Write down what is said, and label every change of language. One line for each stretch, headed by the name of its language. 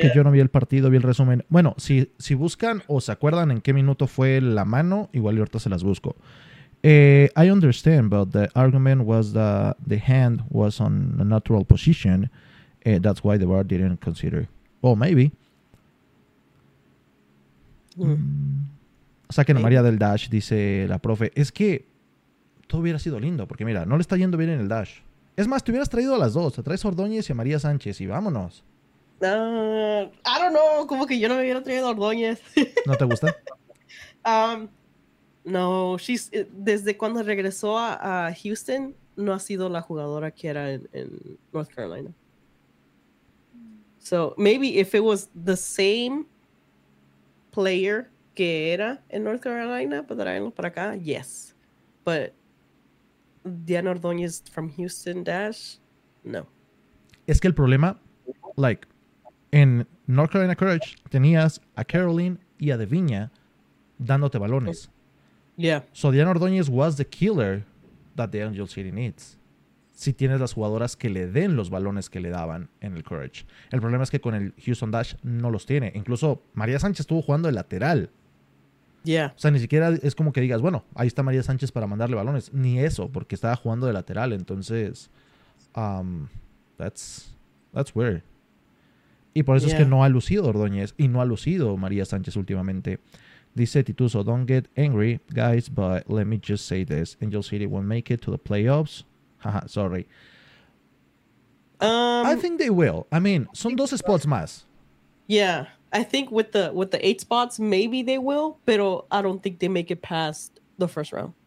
Spanish: Que yo no vi el partido, vi el resumen. Bueno, si buscan o se acuerdan en qué minuto fue la mano, igual ahorita se las busco.
English: I understand, but the argument was that the hand was on a natural position. That's why the VAR didn't consider. Oh, maybe.
Spanish: Saquen a María del Dash, dice la profe. Es que todo hubiera sido lindo, porque mira, no le está yendo bien en el Dash. Es más, te hubieras traído a las dos. Te traes a Ordóñez y a María Sánchez y vámonos.
English: I don't know,
Spanish: como que yo no me hubiera traído a Ordóñez. ¿No te gusta? No, desde cuando regresó a Houston, no ha sido la jugadora que era en North Carolina.
English: So maybe if it was the same player
Spanish: que era en North Carolina, para acá,
English: yes. But Diana Ordóñez from Houston Dash, no.
Spanish: Es que el problema,
English: like,
Spanish: en North Carolina College tenías a Caroline y a Devinha dándote balones.
English: Yeah. So Diana Ordóñez was the killer that the Angel City needs.
Spanish: Si tienes las jugadoras que le den los balones que le daban en el Courage. El problema es que con el Houston Dash no los tiene. Incluso María Sánchez estuvo jugando de lateral.
English: Yeah.
Spanish: O sea, ni siquiera es como que digas, bueno, ahí está María Sánchez para mandarle balones. Ni eso, porque estaba jugando de lateral. Entonces,
English: that's weird.
Spanish: Y por eso es que no ha lucido Ordóñez y no ha lucido María Sánchez últimamente. Dice
English: Tituso, don't get angry, guys, but let me just say this. Angel City won't make it to the playoffs. Haha, sorry. I think they will. I mean,
Spanish: son
English: 12 spots
Spanish: más.
English: Yeah, I think with the 8 spots, maybe they will,
Spanish: pero
English: I don't think they make it past the first round.